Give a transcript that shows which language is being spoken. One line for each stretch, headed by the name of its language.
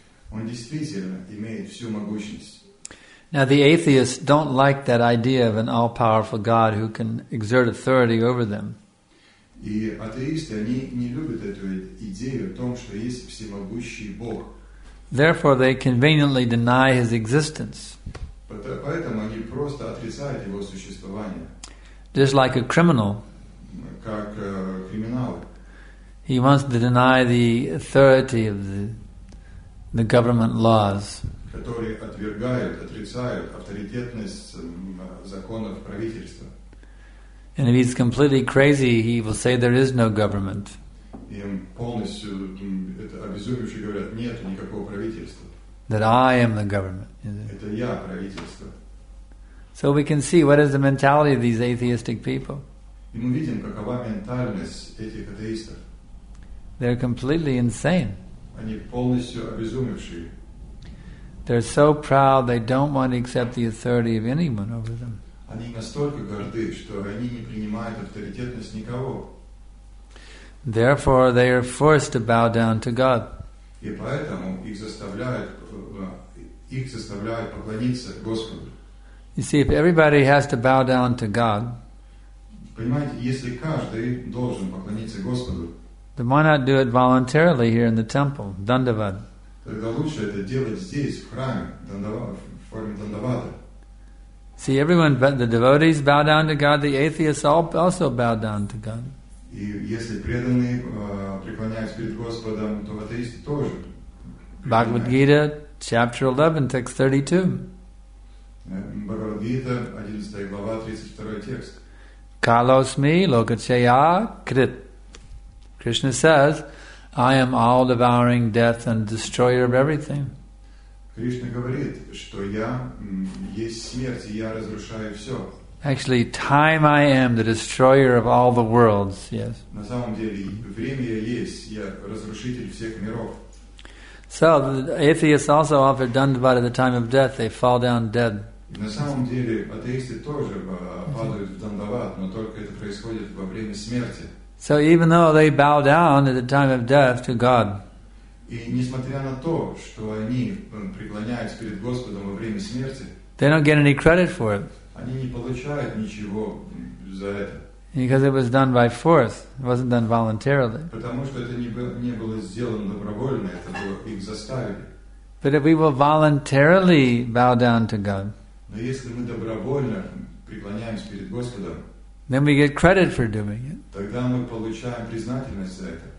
Russian: Он действительно имеет всю могущность.
English: Now the atheists don't like that idea of an all-powerful God who can exert authority over them.
Russian: И атеисты, они не любят эту идею о том, что есть всемогущий Бог.
English: Therefore, they conveniently deny his existence.
Russian: Поэтому они просто отрицают его существование.
English: Just like a criminal.
Russian: Как криминал.
English: He wants to deny the authority of the government laws.
Russian: Которые отвергают, отрицают авторитетность законов правительства.
English: And if he's completely crazy, he will say there is no government.
Russian: И полностью это обезумевшие говорят, нет никакого правительства.
English: That I am the government.
Russian: Это я правительство.
English: So we can see what is the mentality of these atheistic people.
Russian: И мы видим, какова ментальность этих атеистов.
English: They're completely insane.
Russian: Они полностью обезумевшие.
English: They're so proud they don't want to accept the authority of anyone over them.
Russian: Они настолько горды, что они не принимают авторитетность никого.
English: Therefore, they are forced to bow down to God.
Russian: И поэтому их заставляют поклониться Господу.
English: You see, if everybody has to bow down to God,
Russian: понимаете, если каждый должен поклониться Господу,
English: then why not do it voluntarily here in the temple, Dandavat?
Russian: Тогда лучше это делать здесь, в храме, в форме Дандавата.
English: See, everyone, the devotees bow down to God, the atheists also bow down to God.
Russian: И если преданные преклоняются перед Господом, то атеисты тоже.
English: Bhagavad Gita, chapter 11, text 32.
Russian: Bhagavad Gita, 11 глава, 32 текст.
Sanskrit: Kalosmi lokacheya krit.
English: Krishna says, I am all-devouring death and destroyer of everything.
Russian: Krishna говорит, что я есть смерть, и я разрушаю все.
English: Actually, time I am, the destroyer of all the worlds, yes.
Russian: На самом деле, время я есть, я разрушитель всех миров.
English: So, the atheists also offer dandavat at the time of death, they fall down dead.
Russian: На самом деле, атеисты тоже падают в дандават, но только это происходит во время смерти.
English: So even though they bow down at the time of death to God,
Russian: и несмотря на то, что они преклоняются перед Господом во время смерти,
English: they don't get any credit for it.
Russian: Они не получают ничего за это.
English: Because it was done by force, it wasn't done voluntarily.
Russian: Потому что это не было сделано добровольно, это было их заставили.
English: But if we will voluntarily bow down to God,
Russian: но если мы добровольно преклоняемся перед Господом,
English: then we get credit for doing it.
Russian: Тогда мы получаем признательность за это.